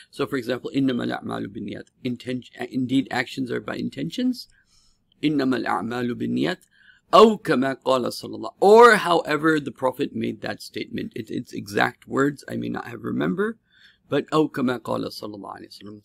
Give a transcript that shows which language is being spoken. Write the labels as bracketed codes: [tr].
[en] So for example, [ar] إِنَّمَا الْأَعْمَالُ بِالنِّيَّةِ, [en] indeed actions are by intentions. [ar] إِنَّمَا الْأَعْمَالُ بِالنِّيَّةِ, أَوْ كَمَا قَالَ صَلَى اللَّهُ, [en] or however the Prophet made that statement. It's exact words, I may not have remember, but [ar] أَوْ كَمَا قَالَ صَلَى اللَّهُ عَلَيْهِ وَسَلَّمَ.